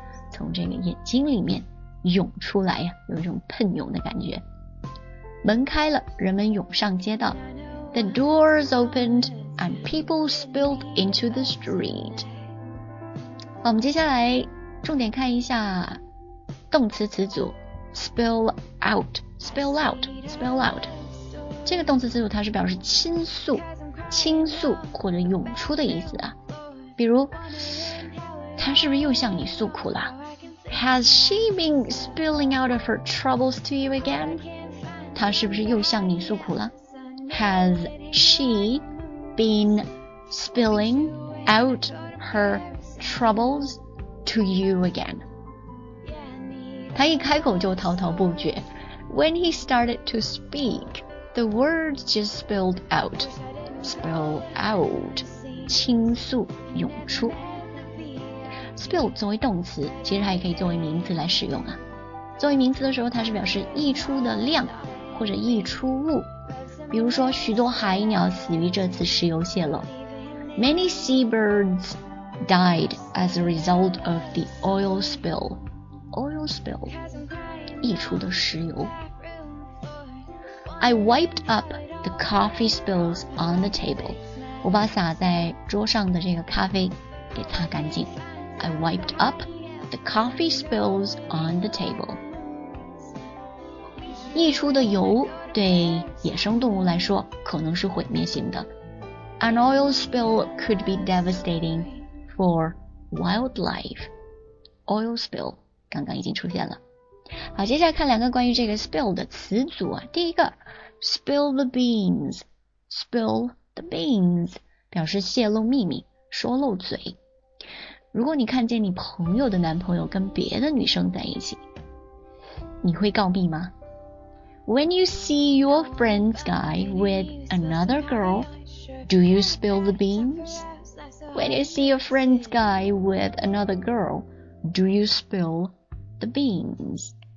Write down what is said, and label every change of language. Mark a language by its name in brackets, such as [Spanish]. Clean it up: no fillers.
[Chinese] 从这个眼睛里面涌出来呀，有一种喷涌的感觉。门开了，人们涌上街道。 [English] The doors opened and people spilled into the street. [Chinese] 好，我们接下来重点看一下动词词组 spill out, spill out, spill out. 这个动词词组它是表示倾诉、倾诉或者涌出的意思啊。比如，他是不是又向你诉苦了？ [English] Has she been spilling out of her troubles to you again? [Chinese] 她是不是又向你诉苦了? [English] Has she been spilling out her troubles to you again? [Chinese] 她一开口就滔滔不绝。 [English] When he started to speak, the words just spilled out. [Chinese] Spill out, 倾诉涌出。 Spill 作为动词，其实还可以作为名词来使用啊。作为名词的时候，它是表示溢出的量或者溢出物。比如说，许多海鸟死于这次石油泄漏。 [English] Many seabirds died as a result of the oil spill. Oil spill, [Chinese] 溢出的石油。 [English] I wiped up the coffee spills on the table. [Chinese] 我把洒在桌上的这个咖啡给擦干净。 [English] I wiped up the coffee spills on the table. [Chinese] 溢出的油对野生动物来说可能是毁灭性的。 [English] An oil spill could be devastating for wildlife. [Chinese] Oil spill 刚刚已经出现了。好，接下来看两个关于这个 spill 的词组啊。第一个 spill the beans, spill the beans 表示泄露秘密，说漏嘴。如果你看见你朋友的男朋友跟别的女生在一起，你会告密吗？ [English] When you see your friend's guy with another girl, do you spill the beans? When you see your friend's guy with another girl, do you spill the beans?